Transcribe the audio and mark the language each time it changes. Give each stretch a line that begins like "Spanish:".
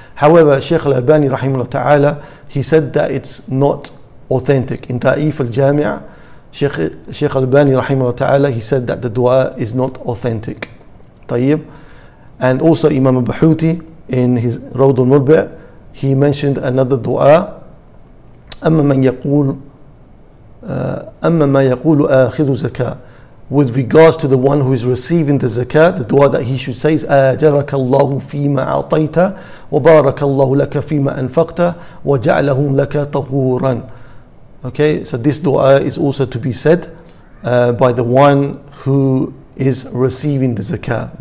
English: However, Shaykh al-Albani, rahimahullah ta'ala, he said that it's not authentic. In Ta'if al-Jami'a, Shaykh al-Albani, rahimahullah ta'ala, he said that the dua is not authentic. Tayyib. And also Imam al-Bahuti, in his Rawd al-Murbi', he mentioned another dua.
Arabic: أَمَّا مَنْ يَقُولُ أَمَّا مَا يَقُولُ أَخِذُ زَكَى.
English: With regards to the one who is receiving the zakat, the dua that he should say is
Arabic: أَجَرَكَ اللَّهُ فِيمَا عَطَيْتَ وَبَارَكَ اللَّهُ لَكَ فِيمَا أَنْفَقْتَ وَجَعْلَهُمْ لَكَ طَهُورًا.
English: Okay, so this dua is also to be said by the one who is receiving the zakat.